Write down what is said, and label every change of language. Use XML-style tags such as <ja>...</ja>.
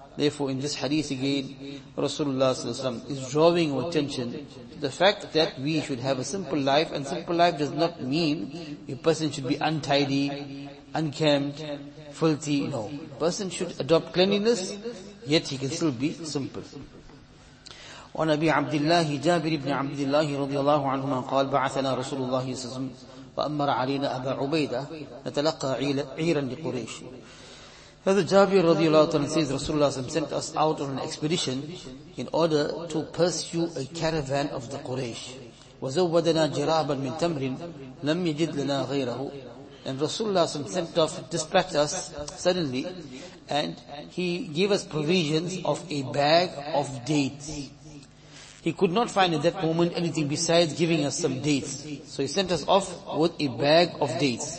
<en>Therefore, in this hadith again, Rasulullah sallallahu alaihi wasallam is drawing our attention to the fact that we should have a simple life, and simple life does not mean a person should be untidy, unkempt, filthy. No. A person should adopt cleanliness, yet he can still be simple.</en> <ar>وعن أبي عبد الله جابر بن عبد الله رضي الله عنهما قال: بعثنا رسول الله صلى الله عليه وسلم وأمر علينا أبا عبيدة نتلقى عيرا لقريش. هذا جابر رضي الله عنه</ar> <en>says Rasulullah صلى الله عليه وسلم sent us out on an expedition in order to pursue a caravan of the Quraysh.</en> <ar>وزودنا جرابا من تمر لم يجد لنا غيره.</ar> <en>And Rasulullah صلى الله عليه وسلم sent off, dispatched us suddenly, and he gave us provisions of a bag of dates. He could not find at that moment anything besides giving us some dates. So he sent us off with a bag of dates.</en>